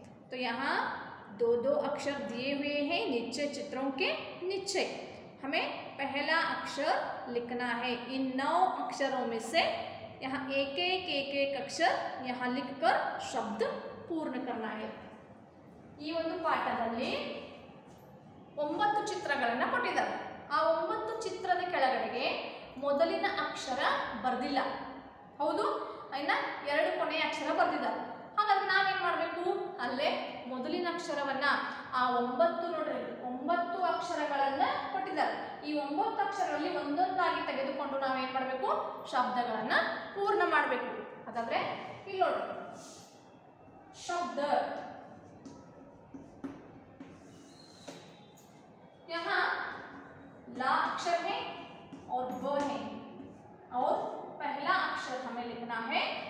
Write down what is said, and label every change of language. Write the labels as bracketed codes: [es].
[hi] तो यहाँ दो दो अक्षर दिए हुए हैं नीचे चित्रों के नीचे। हमें पहला अक्षर लिखना है इन नौ अक्षरों में से। यहाँ एक एक एक एक अक्षर यहाँ लिखकर शब्द पूर्ण करना है। [kn] ಈ ಒಂದು ಪಾಠದಲ್ಲಿ ಒಂಬತ್ತು ಚಿತ್ರಗಳನ್ನು ಕೊಟ್ಟಿದ್ದಾರೆ. ಆ ಒಂಬತ್ತು ಚಿತ್ರದ ಕೆಳಗಡೆಗೆ ಮೊದಲಿನ ಅಕ್ಷರ ಬರೆದಿಲ್ಲ, ಹೌದು, ಇನ್ನು ಎರಡು ಕೊನೆಯ ಅಕ್ಷರ ಬರೆದಿದ್ದಾರೆ. ಹಾಗಾದ್ರೆ ನಾವೇನು ಮಾಡಬೇಕು? ಅಲ್ಲೇ ಮೊದಲಿನ ಅಕ್ಷರವನ್ನು ಆ ಒಂಬತ್ತು, ನೋಡಿರಿ ಒಂಬತ್ತು ಅಕ್ಷರಗಳನ್ನು ಕೊಟ್ಟಿದ್ದಾರೆ. ಈ ಒಂಬತ್ತು ಅಕ್ಷರಗಳಲ್ಲಿ ಒಂದೊಂದಾಗಿ ತೆಗೆದುಕೊಂಡು ನಾವೇನು ಮಾಡಬೇಕು? ಶಬ್ದಗಳನ್ನು ಪೂರ್ಣ ಮಾಡಬೇಕು. ಹಾಗಾದರೆ ಇಲ್ಲಿ ನೋಡಿ, ಶಬ್ದ [hi] यहाँ ला अक्षर है और व है और पहला अक्षर हमें लिखना है।